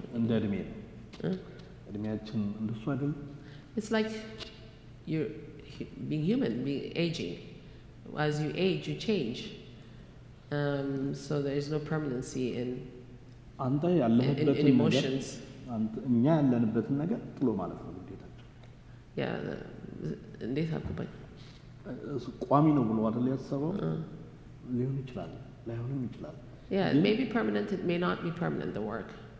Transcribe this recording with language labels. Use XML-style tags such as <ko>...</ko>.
<am>እንደ እድሜ ነው እድሜያችን እንደሱ አይደል</am> <en>it's like you're being human being aging as you age you change so there's no permanency in</en> <am>አንተ ያለህበት emotions እኛ ያለንበትን ነገር ጥሎ ማለፍ ነው ግዴታችን ያ እንዴት አቆባኝ ቋሚ ነው ብሎ አይደል ያሰበው ሊሆን ይችላል ላይሆንም ይችላል</am> <en>yeah it may be permanent it may not be permanent the work</en>